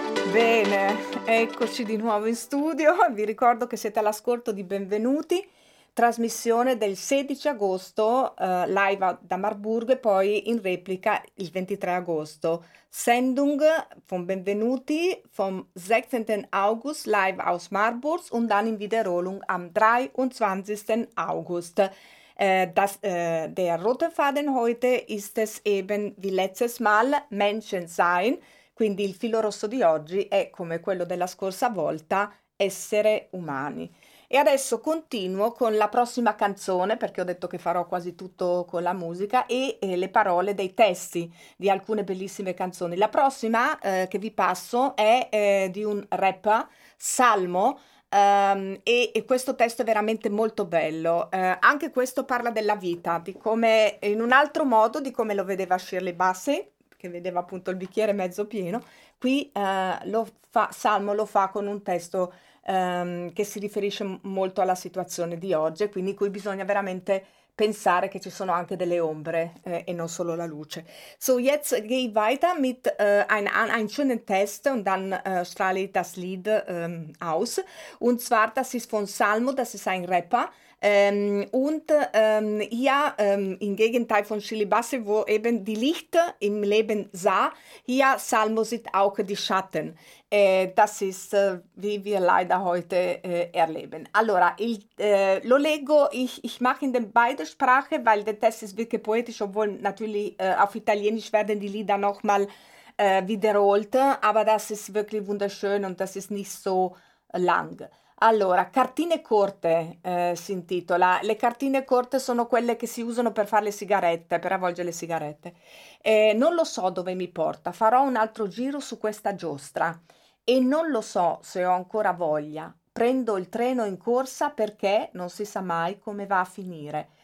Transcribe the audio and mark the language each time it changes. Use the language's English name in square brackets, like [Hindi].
[Italian] Bene, eccoci di nuovo in studio. Vi ricordo che siete all'ascolto di Benvenuti. Trasmissione del 16 agosto live da Marburgo e poi in replica il 23 agosto. [German] Sendung von Benvenuti vom 16. August live aus Marburg und dann in Wiederholung am 23. August. Der rote Faden heute ist es eben wie letztes Mal Menschen sein, [Italian] quindi il filo rosso di oggi è come quello della scorsa volta essere umani. E adesso continuo con la prossima canzone, perché ho detto che farò quasi tutto con la musica, e le parole dei testi di alcune bellissime canzoni. La prossima che vi passo è di un rapper, Salmo, e questo testo è veramente molto bello. Anche questo parla della vita, di come, in un altro modo, di come lo vedeva Shirley Bassey, che vedeva appunto il bicchiere mezzo pieno. Qui Salmo lo fa con un testo che si riferisce molto alla situazione di oggi, quindi cui bisogna veramente pensare che ci sono anche delle ombre e non solo la luce. [German] So jetzt gehe ich weiter mit ein schönen Test und dann strahle ich das Lied aus. Und zwar, das ist von Salmo, das ist ein Rapper. Im Gegenteil von Shirley Bassey, wo eben die Licht im Leben sah, hier Salmo sieht auch die Schatten. Das ist, wie wir leider heute erleben. [Italian] Allora, lo leggo, [German] ich mache in den beiden Sprachen, weil der Test ist wirklich poetisch, obwohl natürlich auf Italienisch werden die Lieder nochmal wiederholt, aber das ist wirklich wunderschön und das ist nicht so lang. [Italian] Allora, cartine corte si intitola. Le cartine corte sono quelle che si usano per fare le sigarette, per avvolgere le sigarette. Non lo so dove mi porta, farò un altro giro su questa giostra. E non lo so se ho ancora voglia. Prendo il treno in corsa perché non si sa mai come va a finire.